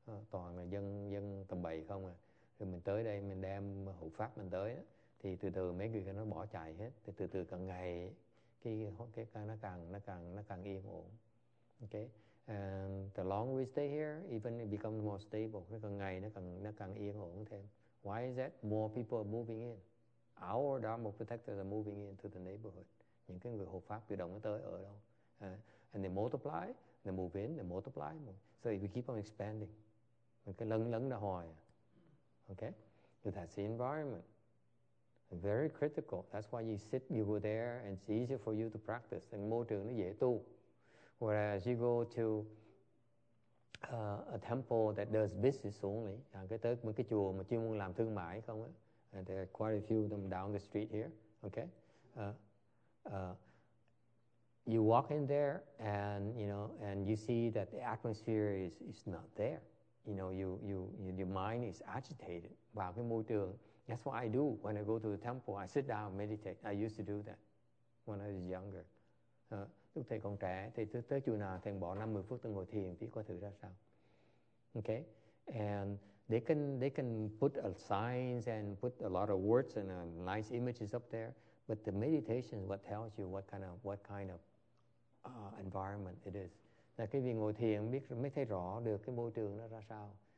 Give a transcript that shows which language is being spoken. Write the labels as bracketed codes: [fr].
[vi] Toàn là dân tầm bậy không à. Rồi mình tới đây mình đem hộ pháp mình tới á, thì từ từ mấy người nó bỏ chạy hết. Thì từ từ càng ngày nó càng yên ổn. Okay. [en] And the longer we stay here, even it becomes more stable. [vi] Nó càng ngày nó càng yên ổn thêm. [en] Why is that? More people are moving in. Our Dharma protectors are moving into the neighborhood. [vi] Những cái người hộ pháp tự động nó tới ở đâu. [en] And they multiply, they move in, they multiply. So we keep on expanding. [vi] Mình cứ lấn ra hoài. [en] Okay? That's the environment. Very critical. That's why you sit, you go there, and it's easier for you to practice. And [vi] môi trường nó dễ tu. [en] Whereas you go to a temple that does business only. [vi] Cái tới một cái chùa mà chuyên môn làm thương mại không á. [en] And there are quite a few of them down the street here. Okay? You walk in there and you know and you see that the atmosphere is not there. You know, your mind is agitated. [vi] Vào cái môi trường. [en] That's what I do when I go to the temple. I sit down, meditate. I used to do that when I was younger. [vi] Lúc thầy còn trẻ, thầy tới chùa nào thầy bỏ 50 phút tôi ngồi thiền tí coi thử ra sao. [en] Okay? And they can put a signs and put a lot of words and nice images up there. But the meditation is what tells you what kind of environment it is. [vi] Là cái vị ngồi thiền biết mới thấy rõ được cái môi trường nó ra sao.